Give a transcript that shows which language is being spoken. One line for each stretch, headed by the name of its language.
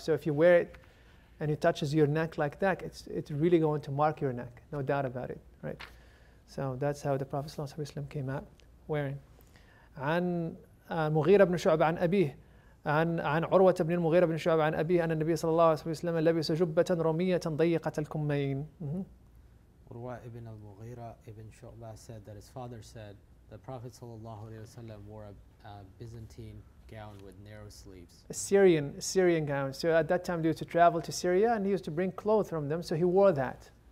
English: So if you wear it and it touches your neck like that, it's really going to mark your neck, no doubt about it, right? So that's how the Prophet sallallahu alaihi wasallam came out wearing.
Arabic: عن مغيرة بن شعبة عن أبيه عن عروة بن المغيرة بن شعبة عن أبيه أن النبي صلى الله عليه وسلم لبس جبة رمية ضيقة الكمين.
English: عروة بن المغيرة بن شعبة said that his father said the Prophet صلى الله عليه وسلم wore a Byzantine gown with narrow sleeves. A Syrian gown. So at that time, he used to travel to Syria, and he used to bring clothes from them. So he wore that.